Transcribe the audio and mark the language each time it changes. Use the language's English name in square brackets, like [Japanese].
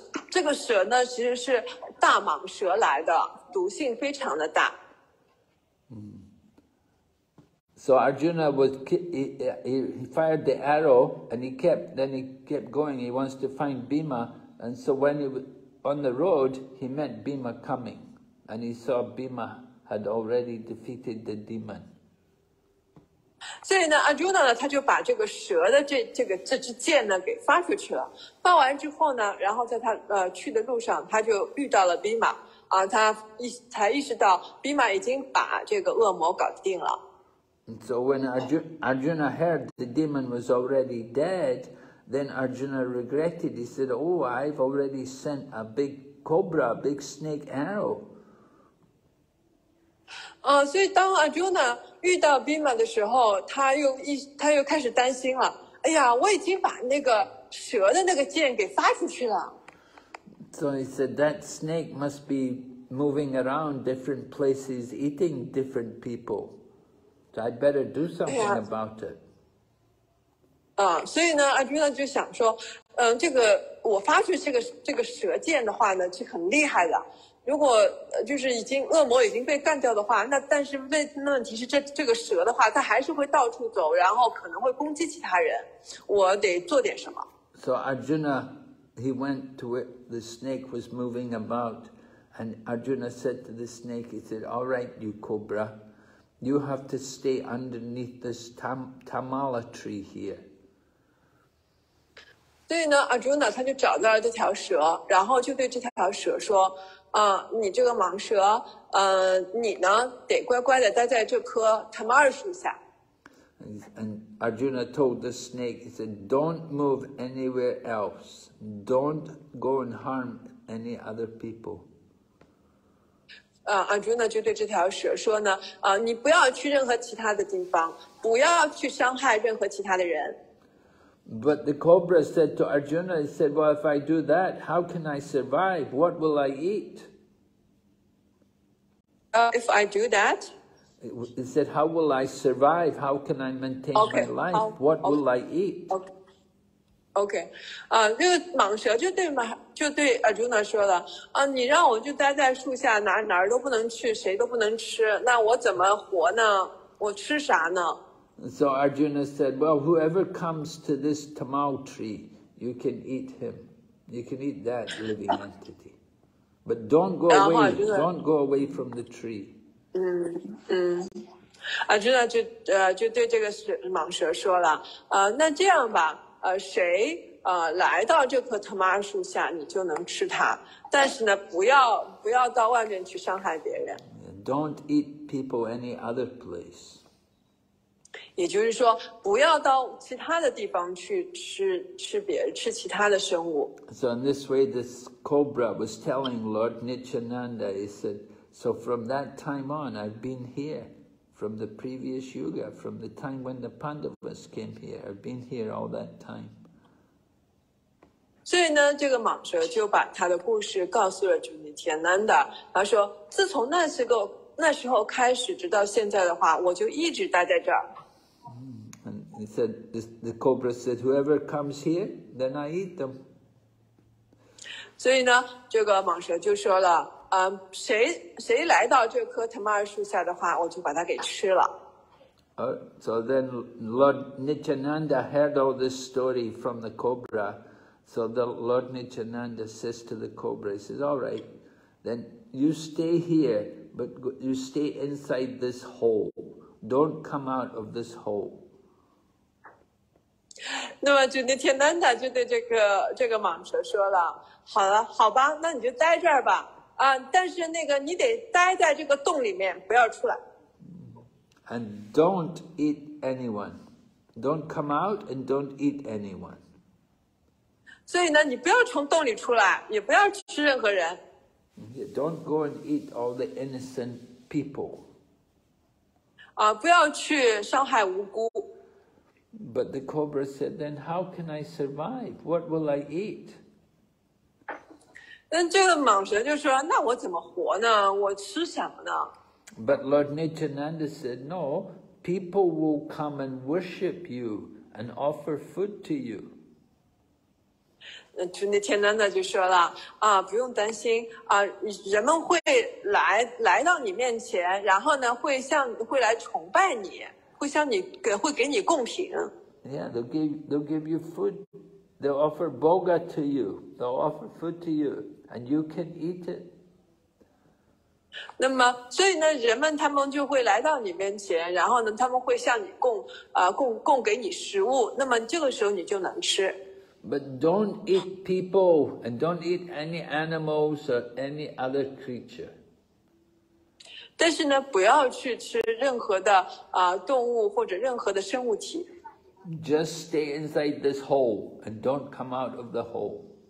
[Chinese] 这个蛇呢，其实是大蟒蛇来的，毒性非常的大。 [English] So Arjuna was he fired the arrow and he kept going. He wants to find Bhima, and so when he was on the road, he met Bhima coming, and he saw Bhima had already defeated the demon. [Chinese] 所以呢 ，Arjuna 呢，他就把这个蛇的这支箭呢给发出去了。发完之后呢，然后在他去的路上，他就遇到了 Bhima 啊，他才意识到 Bhima 已经把这个恶魔搞定了。 [English] And、so when Arjuna heard the demon was already dead, then Arjuna regretted. He said, "Oh, I've already sent a big cobra, a big snake arrow." [Chinese] 所以当 Arjuna 遇到 Bhima 的时候，他又开始担心了。哎呀，我已经把那个蛇的那个箭给发出去了。 [English] So he said that snake must be moving around different places, eating different people. So I'd better do something、哎、 about it. [Chinese] 所以呢 ，Arjuna 就想说，这个我发出这个蛇箭的话呢，是很厉害的。如果就是已经恶魔已经被干掉的话，那但是问题是这个蛇的话，它还是会到处走，然后可能会攻击其他人。我得做点什么。 [English] So Arjuna, he went to where the snake was moving about, and Arjuna said to the snake, he said, "All right, you cobra, you have to stay underneath this tamala tree here." [Chinese] 所以呢 ，Arjuna 他就找到了这条蛇，然后就对这条蛇说。你这个蟒蛇，你呢得乖乖的待在这棵 tamala 树下。 [English] And Arjuna told the snake, he said, "Don't move anywhere else. Don't go and harm any other people." [Chinese] Arjuna 就对这条蛇说呢，你不要去任何其他的地方，不要去伤害任何其他的人。 [English] But the cobra said to Arjuna, he said, "Well, if I do that, how can I survive? What will I eat?" If I do that? He said, "How will I survive? How can I maintain okay, my life? What okay, will I eat?" Okay. [Chinese] 这个蟒蛇就对 Arjuna 说了，你让我就待在树下，哪儿都不能去，谁都不能吃，那我怎么活呢？我吃啥呢？ [English] So Arjuna said, "Well, whoever comes to this tamal tree, you can eat him. You can eat that living entity, but don't go away. Don't go away from the tree." [Chinese] Arjuna 就对这个蟒蛇说了，那这样吧，谁来到这棵特妈树下你就能吃它，但是呢不要到外面去伤害别人。 [English] Don't eat people any other place. [Chinese] 也就是说不要到其他的地方去吃其他的生物。 [English] So in this way this cobra was telling Lord Nityananda, he said, so from that time on I've been here. From the previous yuga, from the time when the Pandavas came here, I've been here all that time. [Chinese] 所以呢，这个蟒蛇就把他的故事告诉了主尼铁南达。他说，自从那时候开始，直到现在的话，我就一直待在这儿。 [English] And he said, the cobra said, whoever comes here, then I eat them. [Chinese] 所以呢，这个蟒蛇就说了。谁来到这棵特玛尔树下的话，我就把它给吃了。 [English] So then Lord Nityananda heard all this story from the cobra. So the Lord Nityananda says to the cobra, he says, all right, then you stay here, but you stay inside this hole. Don't come out of this hole. [Chinese] 那么就Nityananda就对这个蟒蛇说了，好了，好吧，那你就待这儿吧。但是那个你得待在这个洞里面，不要出来。 [English] And don't eat anyone. Don't come out and don't eat anyone. [Chinese] 所以呢，你不要从洞里出来，也不要吃任何人。 [English] Don't go and eat all the innocent people. [Chinese] 不要去伤害无辜。 [English] But the cobra said, then how can I survive? What will I eat? [Chinese] 但这个蟒蛇就说，那我怎么活呢？我吃什么呢？ [English] But Lord Nityananda said, no, people will come and worship you and offer food to you. [Chinese] 那主尼铁南达就说了，不用担心，人们会来到你面前，然后呢，会来崇拜你，会向你会给你贡品。 [English] Yeah, they'll give you food. They'll offer boga to you. They'll offer food to you. And you can eat it. [Chinese] 那么，所以呢，人们他们就会来到你面前，然后呢，他们会向你供给你食物。那么这个时候你就能吃。 [English] But don't eat people and don't eat any animals or any other creature. [Chinese] 但是呢，不要去吃任何的动物或者任何的生物体。 [English] Just stay inside this hole and don't come out of the hole.